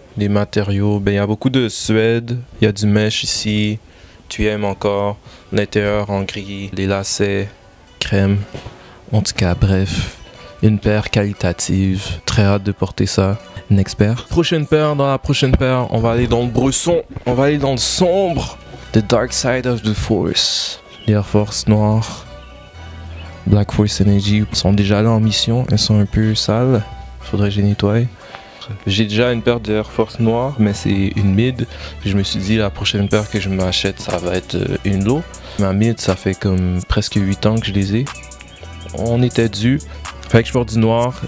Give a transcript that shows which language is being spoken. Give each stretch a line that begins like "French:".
French: Les matériaux, ben il y a beaucoup de suède, il y a du mesh ici, 3M encore, l'intérieur en gris, les lacets crème. En tout cas, bref, une paire qualitative. Très hâte de porter ça. Next paire. Dans la prochaine paire, on va aller dans le brusson. On va aller dans le sombre.
English: The dark side of the force.
French: Les Air Force noires.
English: Black Force Energy.
French: Ils sont déjà là en mission. Elles sont un peu sales. Faudrait que je les nettoie. J'ai déjà une paire de Air Force noires, mais c'est une mid. Je me suis dit, la prochaine paire que je m'achète, ça va être une low. Ma mid, ça fait comme presque 8 ans que je les ai. On était dû. Fait que je porte du noir.